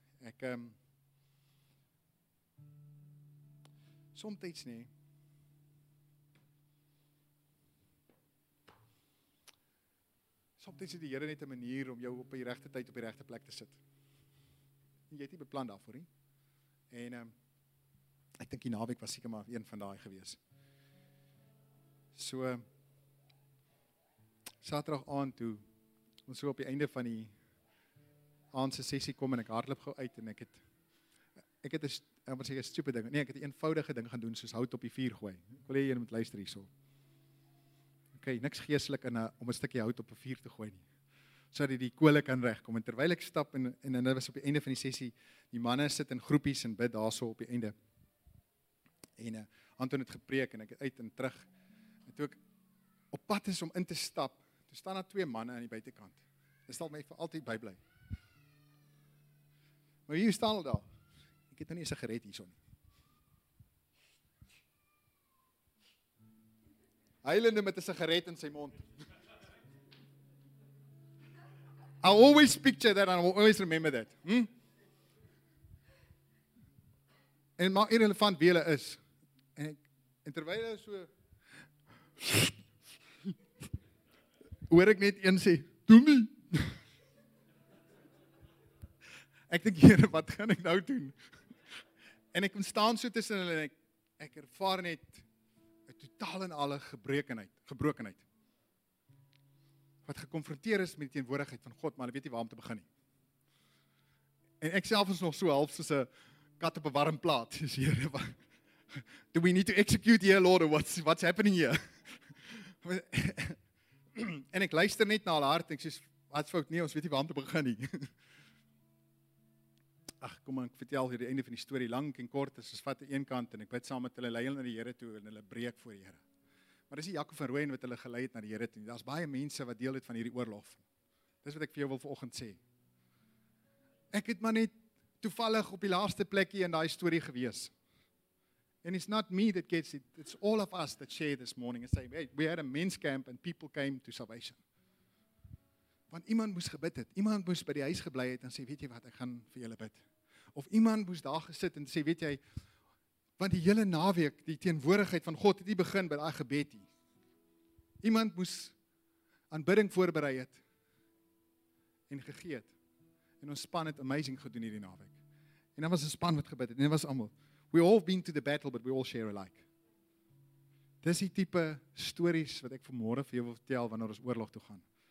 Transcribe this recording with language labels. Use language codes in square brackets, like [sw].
[af] Ek, somtijds nie, soms het die Here net 'n manier om jou op die regte tyd op die regte plek te sit. En jy het nie beplan daarvoor nie. En ek dink die naweek was seker maar een van daai gewees. So Saterdag aand toe ons so op die einde van die aand se sessie kom en ek hardloop gou uit en ek het 'n wat sê 'n stupid ding. Nee, ek het 'n eenvoudige ding gaan doen soos hout op die vuur gooi. Ek wil hê jy moet luister hierso. Oké, okay, niks geestelik om 'n stukkie hout op 'n vuur te gooi nie. Sodat die kole kan regkom. En terwyl ek stap en hulle was op die einde van die sessie, die manne sit in groepies en bid daarso op die einde. En Anton het gepreek en ek het uit en terug. En toe ek op pad is om in te stap, toe staan daar twee manne aan die buitekant. Dit sal my vir altyd bybly. Maar hier staan hulle daar. Ek het nou nie 'n sigaret hierson. Huilende met 'n sigaret in sy mond. [en] I always picture that and I always remember that. [af] En maak irrelevant wie hulle is. En terwyl hulle so Hoor ek net een sê, doen nie. Ek dink, Here, wat gaan ek nou doen? En ek kom staan so tussen hulle en ek ervaar net een totaal en alle gebrokenheid. Wat geconfronteer is met die teenwoordigheid van God, maar hulle weet nie waar om te begin nie. En ek self is nog so half soos 'n kat op 'n warm plaat. Dis Here, wat, [en] do we need to execute here, Lord, or what's happening here? [af] En ek luister net na hulle hart en ek sê, wat fout nie, ons weet nie waar om te begin nie. Ach, kom maar, ek vertel hier die einde van die story, lang en kort, as ons vat aan een kant, en ek bid saam met hulle, lei hulle na die Here toe, en hulle breek voor die Here. Maar dis die Jakob van Rooyen wat hulle gelei het na die Here toe. Daar is baie mense wat deel het van hierdie oorlog. Dis wat ek vir jou wil vanoggend sê. Ek het maar net toevallig op die laaste plekkie in die story gewees. [en] And it's not me that gets it, it's all of us that share this morning and say, hey, we had a men's camp and people came to salvation. [af] Want iemand moes gebid het, iemand moes by die huis geblei het en sê, weet jy wat, ek gaan vir julle bid. Of iemand moes daar gesit en sê, weet jy, want die hele naweek, die teenwoordigheid van God het nie begin by die gebed nie. Iemand moes aanbidding voorberei het en gegee het. En ons span het amazing gedoen hierdie naweek. En dan was 'n span wat gebid het en dit was almal. [en] We all have been to the battle, but we all share alike. [af] Dis die type stories wat ek vanmôre vir jou wil vertel wanneer ons oorlog toe gaan.